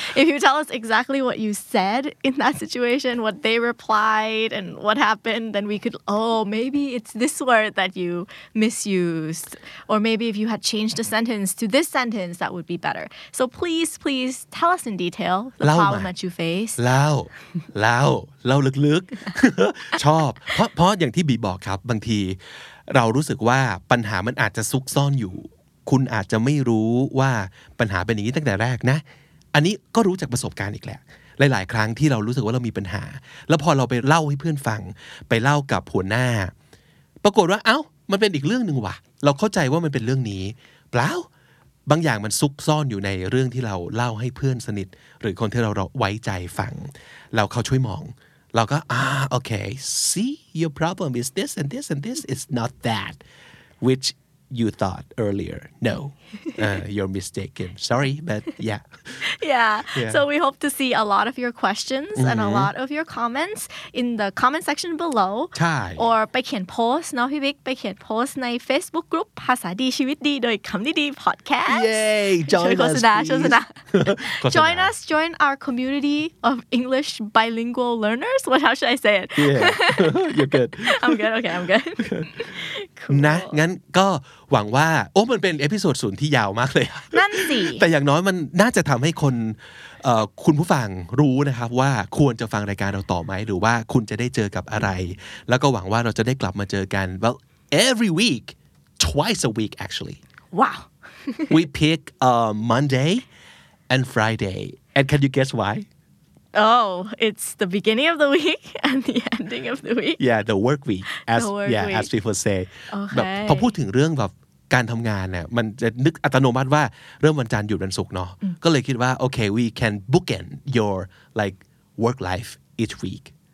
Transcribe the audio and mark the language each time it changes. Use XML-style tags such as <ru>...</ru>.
<en>If you tell us exactly what you said in that situation, what they replied and what happened, then we could, oh, maybe it's this word that you misused. Or maybe if you had changed a sentence to this sentence, that would be better. So please, please tell us in detail the problem that you face. Lao.</en> <th>Lao ลึก ๆ ชอบ เพราะอย่างที่บีบอกครับบางทีเรารู้สึกว่าปัญหามันอาจจะซุกซ่อนอยู่คุณอาจจะไม่รู้ว่าปัญหาเป็นอย่างนี้ตั้งแต่แรกนะอันนี้ก็รู้จากประสบการณ์อีกแหละหลายๆครั้งที่เรารู้สึกว่าเรามีปัญหาแล้วพอเราไปเล่าให้เพื่อนฟังไปเล่ากับหัวหน้า ปรากฏว่าเอ้ามันเป็นอีกเรื่องนึงว่ะเราเข้าใจว่ามันเป็นเรื่องนี้เปล่าบางอย่างมันซุกซ่อนอยู่ในเรื่องที่เราเล่าให้เพื่อนสนิทหรือคนที่เราไว้ใจฟังแล้วเขาช่วยมองเราก็โอเค</th> <en>see your problem is this and this and this is not that which you thought earlier no you're mistaken sorry but yeah so we hope to see a lot of your questions mm-hmm. and a lot of your comments in the comment section below</en> <th>ใช่ or ไปเขียนโพสต์นะพี่บิ๊กไปเขียนโพสต์ใน Facebook group ภาษาดีชีวิตดีโดยคำดีดี podcast</th> <en>yay join our community of English bilingual learners what how should I say it yeah you're good I'm good</en> <th>นะงั้นก็หวังว่าโอ้มันเป็นเอพิโซดศูนย์ที่ยาวมากเลย นั่นสิ แต่อย่างน้อยมันน่าจะทำให้คนคุณผู้ฟังรู้นะครับว่าควรจะฟังรายการเราต่อไหมหรือว่าคุณจะได้เจอกับอะไรแล้วก็หวังว่าเราจะได้กลับมาเจอกัน</th> <en>well every week twice a week actually wow we pick Monday and Friday and can you guess why oh it's the beginning of the week and the ending of the week yeah the work week as work yeah week. as people say okay แบ</en> <th>บพอพูดถึงเรื่องแบบการทำงานเนี่ยมันจะนึกอัตโนมัติว่าเริ่มวันจันทร์หยุดวันศุกร์เนาะก็เลยคิดว่าโอเค</th> <en>we can bookend your like work life each week</en>